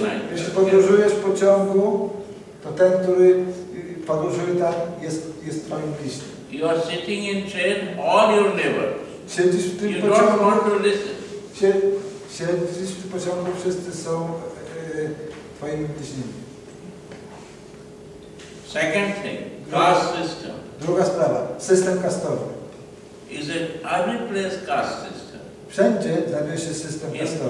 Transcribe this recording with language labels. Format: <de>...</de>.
<pl>jeśli podróżujesz pociągu, to ten, który podróżuje tam, jest twoim bliźnim.</pl> <en>You are sitting in train, all your neighbors.</en> <pl>Siedzisz w tym</pl> <en>you</en> <pl>pociągu,</pl> <en>don't want to listen.</en> <pl>Siedzisz w tym pociągu, wszyscy są twoimi bliźnimi.</pl> <en>Second thing, caste system.</en> <pl>Druga sprawa, system kastowy.</pl> <en>Is it every place caste system?</en> <pl>Wszędzie znajduje się system kastowy.</pl>